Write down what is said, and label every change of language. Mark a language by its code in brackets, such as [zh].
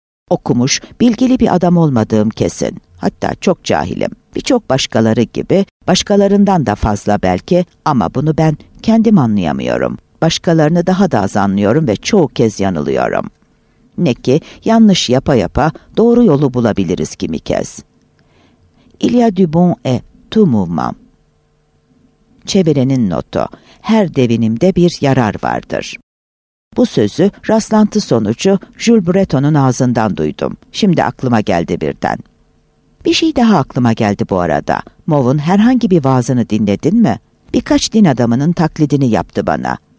[tr] Okumuş, bilgili bir adam olmadığım kesin. Hatta çok cahilim. Birçok başkaları gibi, başkalarından da fazla belki ama bunu ben kendim anlayamıyorum. Başkalarını daha da az anlıyorum ve çoğu kez yanılıyorum. Ne ki yanlış yapa yapa doğru yolu bulabiliriz kimi kez. [fr] Il y a du bon et tout mouvement. [tr] Çevirenin notu, her devinimde bir yarar vardır. Bu sözü rastlantı sonucu Jules Breton'un ağzından duydum. Şimdi aklıma geldi birden. Bir şey daha aklıma geldi bu arada. Mov'un herhangi bir vaazını dinledin mi? Birkaç din adamının taklidini yaptı bana.